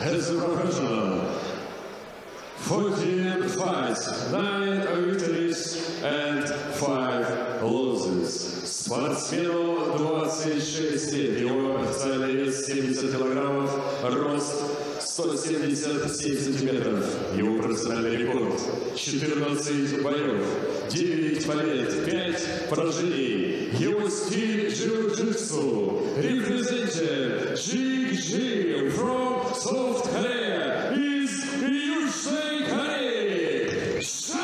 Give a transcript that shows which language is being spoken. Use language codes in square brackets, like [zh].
[en] As a professional, 14 fights, 9 victories and 5 losses. [ru] Спортсмену 26 лет, его официальный вес 70 килограммов, рост 177 сантиметров. Его профессиональный рекорд 14 боев, 9 побед, 5 поражений. Его стиль джиу-джитсу. [en] Representing Jig Jig from South Korea is Yushin Kari.